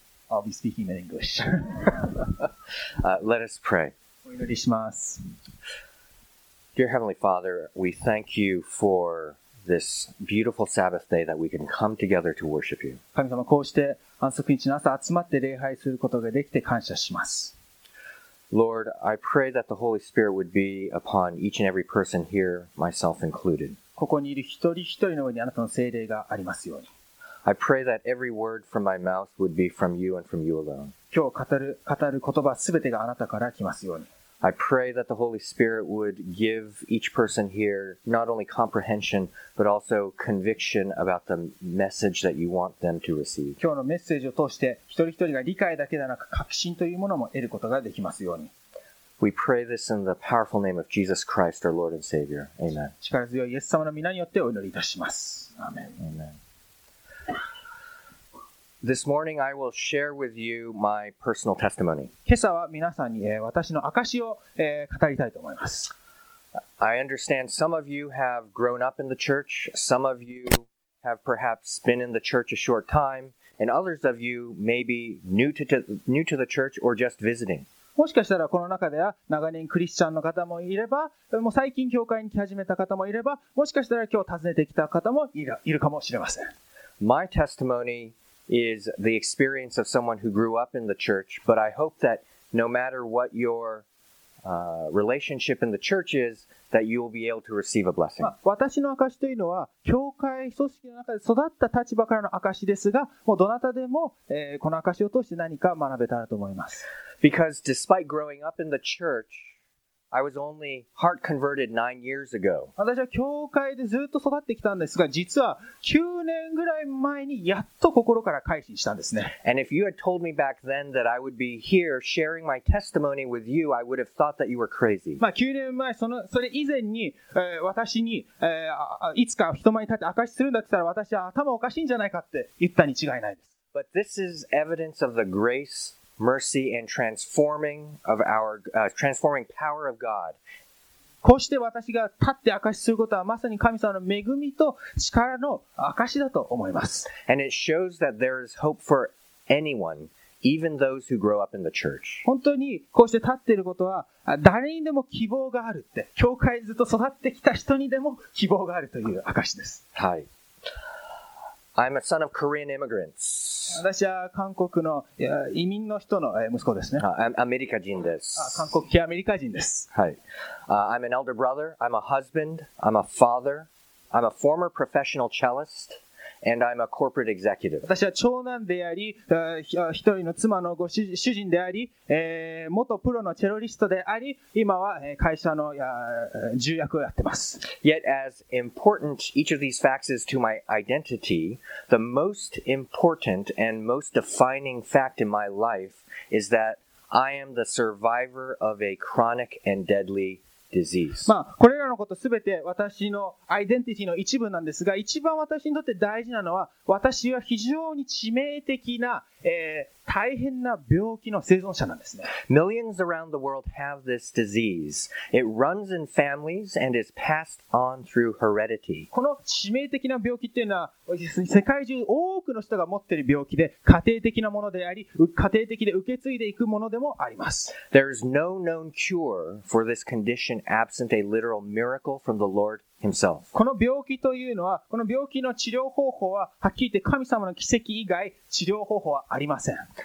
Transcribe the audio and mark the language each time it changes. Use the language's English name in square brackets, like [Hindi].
[English] I'll be speaking in English. let us pray. [Japanese] お祈りします。 [English] Dear Heavenly Father, we thank you for this beautiful Sabbath day that we can come together to worship you. [Japanese] 神様、こうして安息日の朝集まって礼拝することができて感謝します。 [English] Lord, I pray that the Holy Spirit would be upon each and every person here, myself included. [Japanese] ここにいる一人一人の上にあなたの聖霊がありますように。 [English] I pray that every word from my mouth would be from you and from you alone. [Japanese] 今日語る言葉すべてがあなたから来ますように。 [English] I pray that the Holy Spirit would give each person here not only comprehension, but also conviction about the message that you want them to receive. [Japanese] 今日のメッセージを通して一人一人が理解だけでなく確信というものも得ることができますように。 [English] We pray this in the powerful name of Jesus Christ, our Lord and Savior. Amen. [Japanese] 力強いイエス様の皆によってお祈りいたします。アーメン。 [English] Amen. This morning I will share with you my personal testimony. [Japanese] 今朝は皆さんに私の証を語りたいと思います。 [English] I understand some of you have grown up in the church, some of you have perhaps been in the church a short time, and others of you may be new to the church or just visiting. [Japanese] もしかしたらこの中では長年クリスチャンの方もいれば、もう最近教会に来始めた方もいれば、もしかしたら今日訪ねてきた方もいるかもしれません。 [English] My testimony is the experience of someone who grew up in the church, but I hope that no matter what your relationship in the church is, that you will be able to receive a blessing. [Japanese] 私の証というのは、教会組織の中で育った立場からの証ですが、もうどなたでも、この証を通して何か学べたらと思います。 [English] Because despite growing up in the church, I was only heart converted 9 years ago. [Japanese] 私は教会でずっと育ってきたんですが、実は9年ぐらい前にやっと心から改心したんですね。 [English] And if you had told me back then that I would be here sharing my testimony with you, I would have thought that you were crazy. [Japanese] まあ9年前、それ以前に、私に、いつか人前に立って証しするんだって言ったら、私は頭おかしいんじゃないかって言ったに違いないです。 [English] But this is evidence of the grace. Mercy and transforming of our transforming power of God. [Japanese] こうして私が立って証しすることはまさに神様の恵みと力の証しだと思います。 [English] And it shows that there is hope for anyone, even those who grow up in the church. [Japanese] 本当にこうして立っていることは誰にでも希望があるって、教会ずっと育ってきた人にでも希望があるという証しです。はい。 [English] I'm a son of Korean immigrants. [Japanese] 私は韓国の移民の人の息子ですね。アメリカ人です。韓国系アメリカ人です。 [English] はい。I'm an elder brother. I'm a husband. I'm a father. I'm a former professional cellist. And I'm a corporate executive. [Japanese] 私は長男であり、一人の妻のご主人であり、元プロのチェロリストであり、今は会社の重役をやってます。 [English] Yet as important each of these facts is to my identity, the most important and most defining fact in my life is that I am the survivor of a chronic and deadly disease. Disease. [Japanese] まあこれらのことすべて私のアイデンティティの一部なんですが、一番私にとって大事なのは、私は非常に致命的な、大変な病気の生存者なんですね。 [English] Millions around the world have this disease. It runs in families and is passed on through heredity. [Japanese] この致命的な病気っていうのは、世界中多くの人が持っている病気で、家庭的なものであり、家庭的で受け継いでいくものでもあります。 [English] There is no known cure for this condition absent a literal miracle from the Lord. Himself. [Japanese] この病気というのは、この病気の治療方法は、はっきり言って神様の奇跡以外、治療方法はありません。